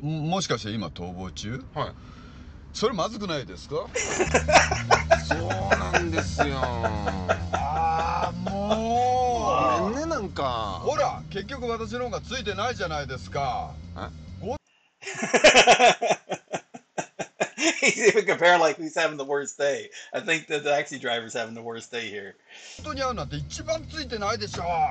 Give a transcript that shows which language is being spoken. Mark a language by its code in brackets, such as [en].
[ja] もしかして今逃亡中？はい。それまずくないですか？そうなんですよ。ああ、もうごめんね、なんか。ほら、結局私の方がついてないじゃないですか。え？ [en] He's even comparing like who's having the worst day. I think the taxi driver's having the worst day here. [ja] 人に会うなんて一番ついてないでしょ。